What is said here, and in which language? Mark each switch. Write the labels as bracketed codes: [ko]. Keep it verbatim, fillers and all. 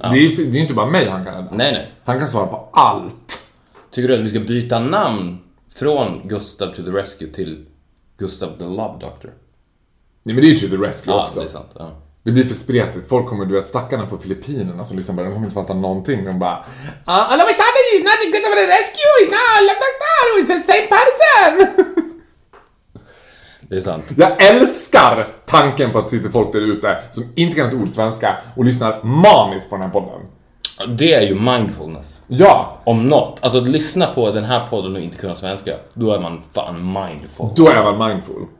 [sv] Ja. Det är ju inte bara mig han kan rädda. Nej, nej. Han kan svara på allt. Tycker du att vi ska byta namn från Gustav to the Rescue till Gustav the Love Doctor? Nej, men det är ju to the Rescue ja, också. Det är sant, ja. Det blir för spretigt. Folk kommer, du vet, stackarna på Filippinerna som liksom bara, de kommer inte fatta någonting. De bara, alla vi tar inte [en] Gustav to the Rescue, it's not Love Doctor, it's the same person. [sv] Det är sant. Jag älskar tanken på att sitta folk där ute som inte kan ett ord svenska och lyssnar maniskt på den här podden. Det är ju mindfulness. Ja. Om något. Alltså att lyssna på den här podden och inte kunna svenska, då är man fan mindful. Då är man mindful.